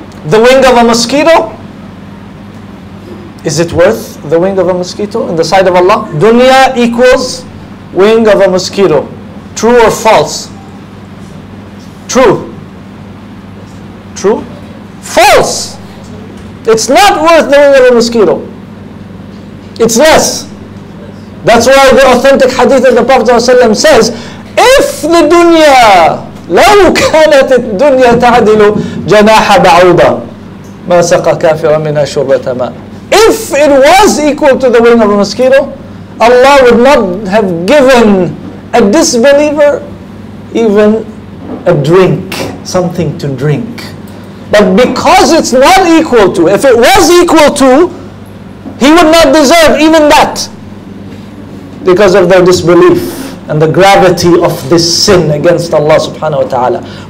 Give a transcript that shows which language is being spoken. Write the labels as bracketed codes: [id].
[en] The wing of a mosquito? Is it worth the wing of a mosquito in the sight of Allah? Dunya equals wing of a mosquito. True or false? True. True? False. It's not worth the wing of a mosquito. It's less. That's why the authentic hadith of the Prophet ﷺ says, if the dunya, [ar] لو كانت الدنيا تعدل جناح بعوضة ما سقى كافرا منها شربة ماء. [en] If it was equal to the wing of a mosquito, Allah would not have given a disbeliever even a drink, something to drink. But because it's not equal to, if it was equal to, he would not deserve even that because of their disbelief and the gravity of this sin against Allah subhanahu wa ta'ala.